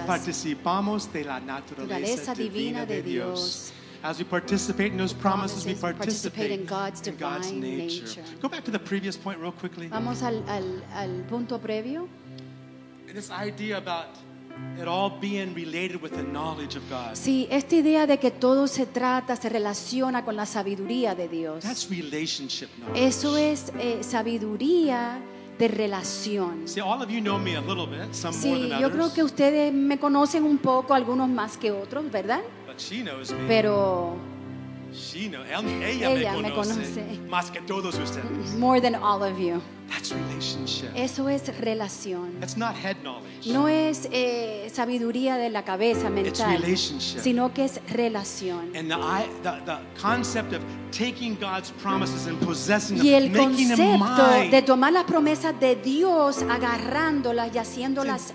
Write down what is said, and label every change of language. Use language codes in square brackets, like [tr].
[es] participamos de la naturaleza divina de Dios. [en] As we participate in those promises, we participate in God's nature. Go back to the previous point real quickly. [es] Vamos al punto previo. [en] This idea about it all being related with the knowledge of God. [es] Sí, esta idea de que todo se trata, se relaciona con la sabiduría de Dios. [en] That's relationship knowledge. [es] Eso es sabiduría de relación. [en] See, all of you know me a little bit, some [es] sí, [en] more than others. [es] Sí, yo creo que ustedes me conocen un poco, algunos más que otros, ¿verdad? [en] But she knows me. [es] Pero [en] she knows, [es] ella me conoce más que todos ustedes. [en] More than all of you. That's relationship. [es] Eso es relación. [en] That's not head knowledge. [es] No es sabiduría de la cabeza mental. [en] It's relationship. [es] Sino que es relación. [en] And the concept of taking God's promises and possessing them, [es] y el concepto [en] making them mine. [es] De tomar las promesas de Dios, agarrándolas y haciéndolas